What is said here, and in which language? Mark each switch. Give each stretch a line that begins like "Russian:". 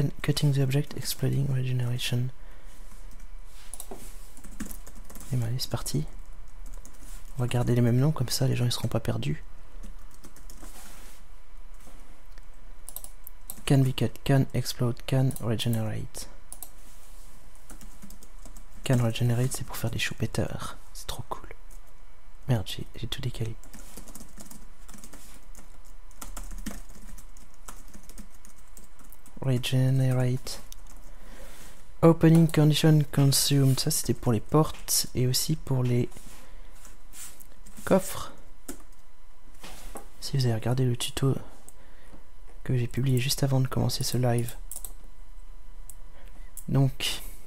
English: Cutting the object, exploding, regeneration.
French: Et bah allez, c'est parti. On va garder les mêmes noms, comme ça les gens ils seront pas perdus.
English: Can be cut, can explode, can regenerate. Can regenerate,
French: c'est pour faire des choupetteurs. C'est trop cool. Merde, j'ai tout décalé.
English: Regenerate. Opening condition consumed.
French: Ça, c'était pour les portes et aussi pour les coffres. Si vous avez regardé le tuto que j'ai publié juste avant de commencer ce live. Donc.